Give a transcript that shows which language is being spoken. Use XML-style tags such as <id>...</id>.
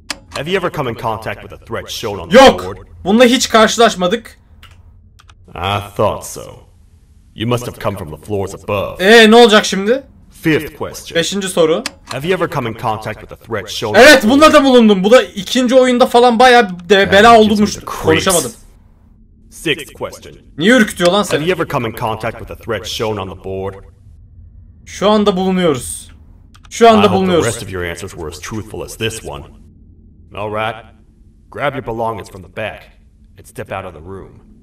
<en>Have you ever come in contact with the threat shown on the board?</en> <tr>Yok. Bununla hiç karşılaşmadık.</tr> <en>I thought so. You must have come from the floors above.</en> <tr>Ne olacak şimdi?</tr> <en>Fifth question.</en> <tr>Beşinci soru.</tr> <en>Have you ever come in contact with the threat shown on the board?</en> <tr>Evet, bununla da bulundum. Bu da ikinci oyunda falan bayağı bela olmuş. Konuşamadım.</tr> <en>Sixth question.</en> <tr>Niye ürkütüyor lan seni?</tr> <en>Have you ever come in contact with the threat shown on the board?</en> <tr>Şu anda bulunuyoruz. Şu anda bulunuyoruz.</tr> <en>The rest of your answers were as truthful as this one. All right. Grab your belongings from the back and step out of the room.</en>